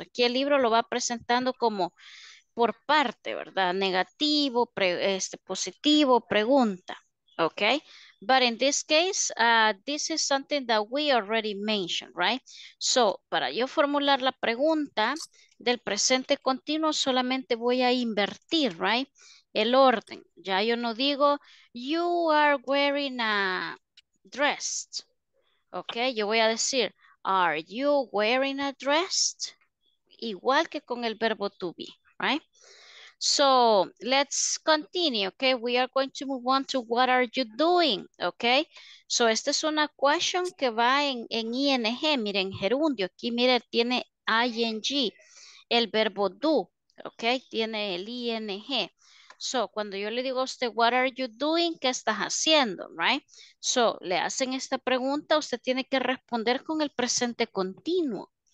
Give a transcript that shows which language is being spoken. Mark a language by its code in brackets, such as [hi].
[es] Aquí el libro lo va presentando como por parte, ¿verdad? Negativo, positivo, pregunta, ok. [en] But in this case, this is something that we already mentioned, right? [es] So, para yo formular la pregunta del presente continuo, solamente voy a invertir, right? El orden. Ya yo no digo, [en] you are wearing a dress. [es] Ok, yo voy a decir, [en] are you wearing a dress? [es] Igual que con el verbo to be, right? [en] So, let's continue, ok? We are going to move on to what are you doing, ok? [es] So, esta es una question que va en ING, miren, gerundio. Aquí, miren, tiene ING, el verbo do, ok? Tiene el ING. So, cuando yo le digo a usted, [en] what are you doing? [es] ¿Qué estás haciendo? Right? So, le hacen esta pregunta, usted tiene que responder con el presente continuo.